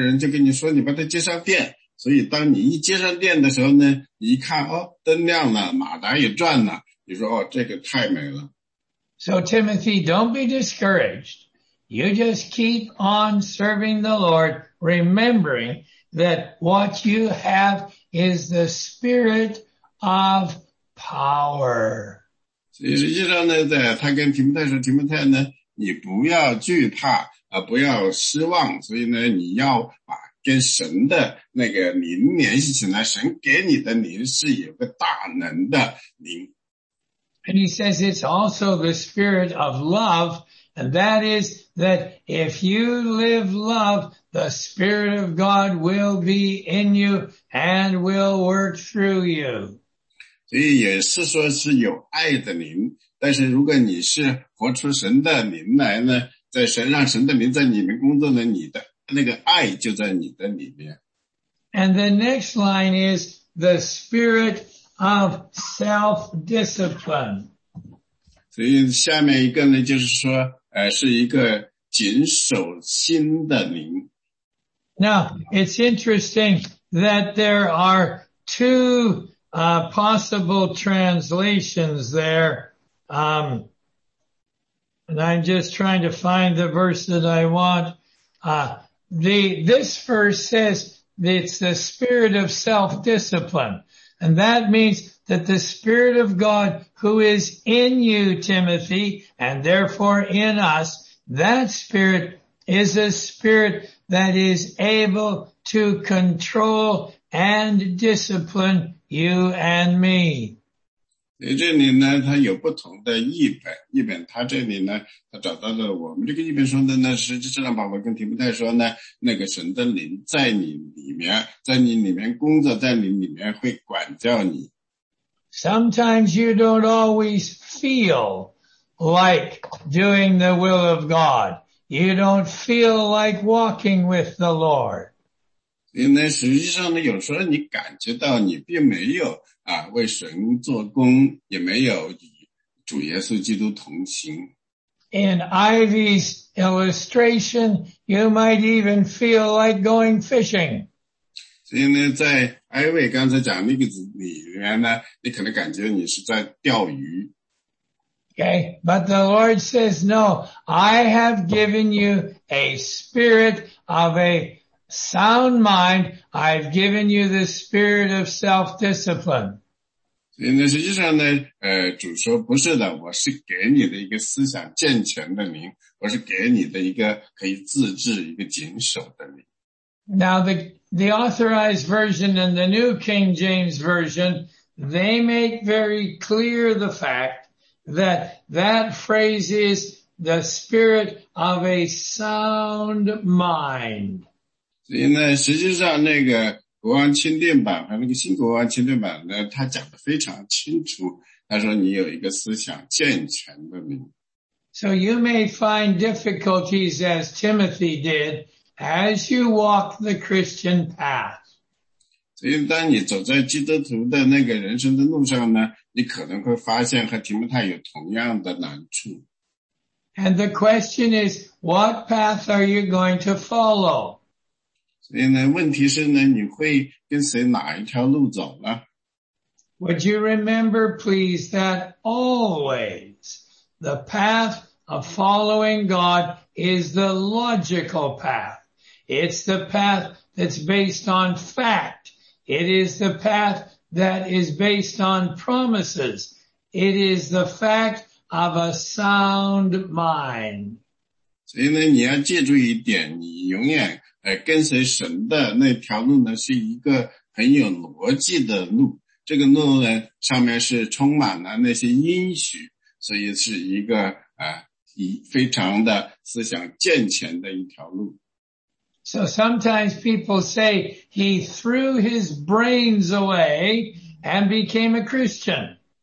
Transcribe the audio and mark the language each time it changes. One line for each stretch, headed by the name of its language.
Chinese: 所以你的人生里可能就是这样的，你就像拿着一个电线，你说这人生太艰难了，我该怎么做呢？有个人就跟你说，你把它接上电。所以当你一接上电的时候呢，一看哦，灯亮了，马达也转了，你说哦，这个太美了。
English: So Timothy, don't be discouraged. You just keep on serving the Lord, remembering that what you have is the Spirit of power.
Chinese: 所以实际上呢，在他跟提摩太说，提摩太呢，你不要惧怕，不要失望，所以呢，你要把。跟神的那个灵联系起来，神给你的灵是有个大能的灵。
English: And he says it's also the spirit of love, and that is that if you live love, the Spirit of God will be in you and will work through you.
Chinese: 所以也是说是有爱的灵，但是如果你是活出神的灵来呢？在神让神的灵在你们工作的你的那个爱就在你的里面。
English: And the next line is the spirit of self-discipline.
Chinese: 所以下面一个呢就是说是一个谨守心的灵。
English: Now, it's interesting that there are two possible translations there. And I'm just trying to find the verse that I want. This verse says it's the spirit of self-discipline. And that means that the Spirit of God who is in you, Timothy, and therefore in us, that spirit is a spirit that is able to control and discipline you and me.
Chinese: 这里呢它有不同的译本，译本它这里呢它找到了我们这个译本说的呢，实际上保罗跟提摩太说呢，那个神的灵在你里面，在你里面工作，在你里面会管教你。
English: Sometimes you don't always feel like doing the will of God. You don't feel like walking with the Lord.
Chinese: 因为实际上呢有时候你感觉到你并没有为神做工，也没有与主耶稣基督同行。
English: In Ivy's illustration, you might even feel like going fishing.
Chinese: 所以呢，在 Ivy 刚才讲那个里面呢，你可能感觉你是在钓鱼。
English: Okay, but the Lord says, no, I have given you a spirit of a sound mind. I've given you the spirit of self-discipline.
Chinese: 实际上呢主说不是的，我是给你的一个思想健全的灵，我是给你的一个可以自制一个谨守的灵。
English: Now the authorized version and the New King James version, they make very clear the fact that that phrase is the spirit of a sound mind.
Chinese: 所以呢实际上那个国王钦定版和那个新国王钦定版呢，他讲得非常清楚。他说你有一个思想健全的灵。
English: So you may find difficulties as Timothy did as you walk the Christian path.
Chinese: 所以当你走在基督徒的那个人生的路上呢，你可能会发现和提摩太有同样的难处。
English: And the question is, what path are you going to follow?
Chinese: 所以呢问题是呢你会跟随哪一条路走呢
English: ?Would you remember please that always the path of following God is the logical path. It's the path that's based on fact. It is the path that is based on promises. It is the fact of a sound mind.
Chinese: 所以呢你要记住一点，你永远跟随神的那条路呢是一个很有逻辑的路，这个路呢上面是充满了那些应许，所以是一个非常的思想健全的一条路。
English: So sometimes people say he threw his brains away and became a Christian.